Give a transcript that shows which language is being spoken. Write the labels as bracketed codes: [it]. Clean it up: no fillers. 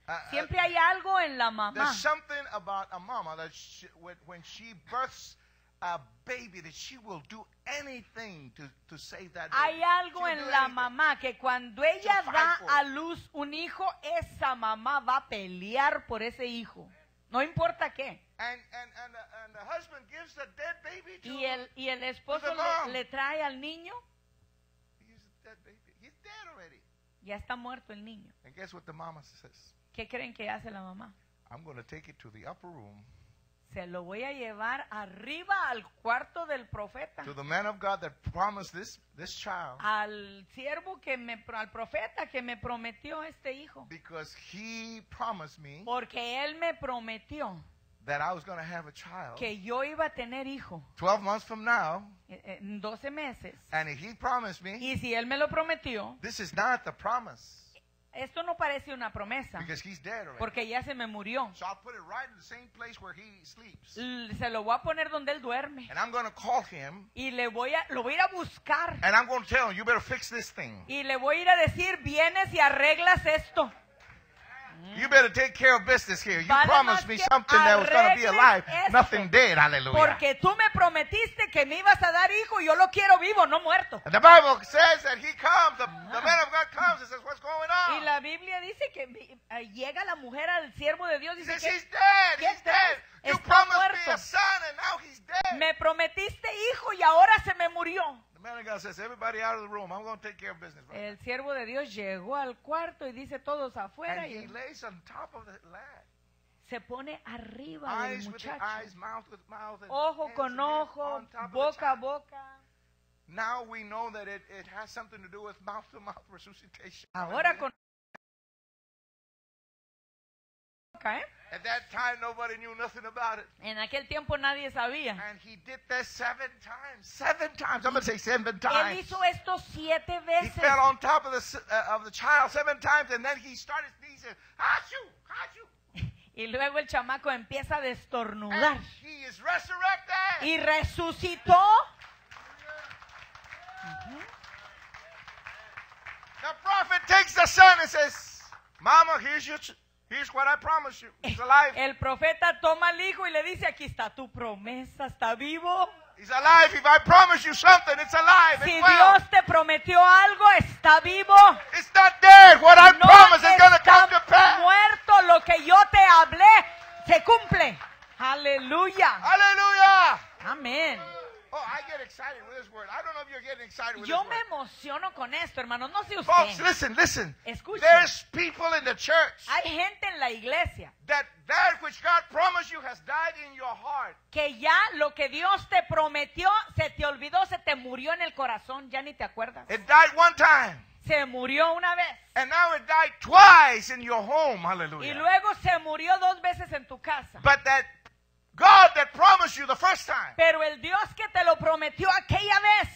[es] Siempre hay algo en la mamá. [en] There's something about a mama that when she births a baby, that she will do anything to save that baby. [es] Hay algo en la mamá que cuando ella da a luz un hijo, esa mamá va a pelear por ese hijo. No importa qué. [en] And the husband gives the dead baby to [es] y el esposo le trae al niño. [en] He's a dead baby. He's dead already. [es] Ya está muerto el niño. [en] And guess what the mama says? [es] ¿Qué creen que hace la mamá? [en] I'm going to take it to the upper room. [es] Se lo voy a llevar arriba al cuarto del profeta. [en] To the man of God that promised this child. [es] Al siervo que me, al profeta que me prometió este hijo. [en] Because he promised me. [es] Porque él me prometió. [en] That I was going to have a child. [es] Que yo iba a tener hijo. [en] 12 months from now. [es] En 12 meses. [en] And if he promised me. [es] Y si él me lo prometió. [en] This is not the promise. [es] Esto no parece una promesa. [en] Because he's dead already. [es] Porque ya se me murió. [en] So I'll put it right in the same place where he sleeps. [es] Se lo voy a poner donde él duerme. [en] And I'm going to call him. [es] Y lo voy a buscar. [en] And I'm going to tell him, you better fix this thing. [es] Y le voy a ir a decir, vienes y arreglas esto. [en] You better take care of business here. You promised me something that was going to be alive, nothing dead. Hallelujah. [es] Porque tú me prometiste que me ibas a dar hijo, yo lo quiero vivo, no muerto. [en] And the Bible says that he comes, the man of God comes and says, "What's going on?" [es] Y la Biblia dice que llega la mujer al siervo de Dios y dice, [en] "He's dead. He's dead. You promised me a son and now he's dead." [es] Me prometiste hijo y ahora se me murió. [en] Man of God says, "Everybody out of the room. I'm going to take care of business." Right. [es] El siervo de Dios llegó al cuarto y dice, "Todos afuera." [en] And he lays on top of the lad. [es] Se pone arriba del muchacho. [en] Eyes, mouth with mouth, [es] ojo con ojo, boca a boca. [en] Now we know that it has something to do with mouth to mouth resuscitation. [es] Ahora con [en] okay. At that time, nobody knew nothing about it. [es] En aquel tiempo nadie sabía. [en] And he did this seven times. I'm going to say seven times. [es] Él hizo esto siete veces. [en] He fell on top of the child seven times, and then he started sneezing. Achoo, achoo. [es] Y luego el chamaco empieza a destornudar. [en] And he is resurrected. [es] Y resucitó. [en] The prophet takes the son and says, "Mama, here's what I promised you. He's alive." [es] El profeta toma al hijo y le dice, "Aquí está tu promesa, está vivo." [en] He's alive. If I promise you something, it's alive. [es] Si [en] it's well. [es] Dios te prometió algo, está vivo. [en] It's not dead. What I [es] no [en] promise is going to come to pass. [es] Muerto lo que yo te hablé se cumple. Aleluya. Aleluya. Amén. [en] Oh, I get excited with this word. I don't know if you're getting excited with [es] Yo [en] this word. [es] Yo me emociono con esto, hermano. No sé usted. [en] Folks, listen, listen. [es] Escuche. [en] There's people in the church. [es] Hay gente en la iglesia. [en] That which God promised you has died in your heart. [es] Que ya lo que Dios te prometió se te olvidó, se te murió en el corazón. Ya ni te acuerdas. [en] It died one time. [es] Se murió una vez. [en] And now it died twice in your home. Hallelujah. [es] Y luego se murió dos veces en tu casa. [en] But that God that promised you the first time. [es] Pero el Dios que te lo prometió aquella vez.